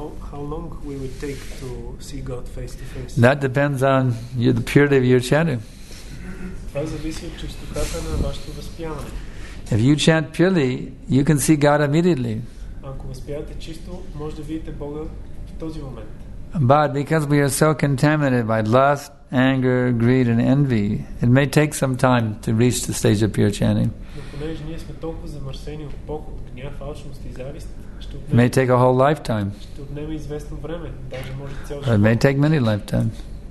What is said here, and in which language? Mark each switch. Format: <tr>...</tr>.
<en>How long we would take to see God face to face? That depends on the purity of your chanting.</en> <bg>Това зависи от чистотата на вашето възпяване.</bg> <en>If you chant purely, you can see God immediately.</en> <bg>Ако възпявате чисто, може да видите Бога в този момент.</bg> <en>But because we are so contaminated by lust, anger, greed, and envy, it may take some time to reach the stage of pure chanting.</en> <bg>Но понеже ние сме толкова замърсени от похот, гняв, алчност и завист,</bg> <en>it may take a whole lifetime. Or it may take many lifetimes.</en>